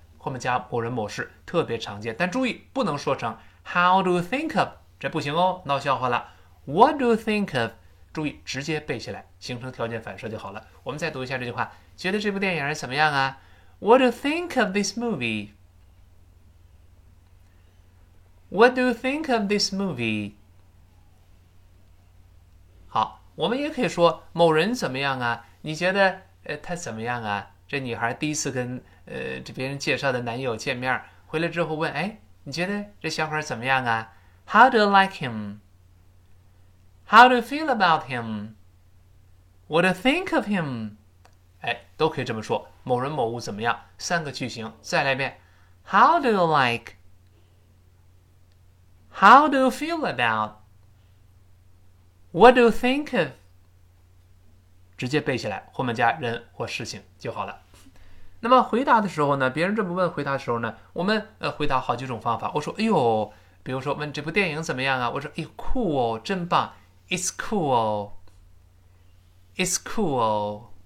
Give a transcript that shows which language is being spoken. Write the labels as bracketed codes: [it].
[zh] 后面加某人某事，特别常见，但注意不能说成 [en] How do you think of? [zh] 这不行哦，闹笑话了。 [en] What do you think of? [zh] 注意直接背下来，形成条件反射就好了。我们再读一下这句话，觉得这部电影怎么样啊？ [en] What do you think of this movie? What do you think of this movie? [zh] 好，我们也可以说某人怎么样啊？你觉得他怎么样啊？这女孩第一次跟这别人介绍的男友见面，回来之后问，哎，你觉得这小伙怎么样啊？ [en] How do you like him? How do you feel about him? What do you think of him? [zh] 哎，都可以这么说，某人某物怎么样？三个句型，再来一遍。 [en] How do you like? How do you feel about? What do you think of? [zh] 直接背下来，后面加人或事情就好了。那么回答的时候呢，别人这么问回答的时候呢，我们回答好几种方法。我说，哎呦，比如说问这部电影怎么样啊？我说，哎呦，酷哦，真棒， [en] It's cool，It's cool。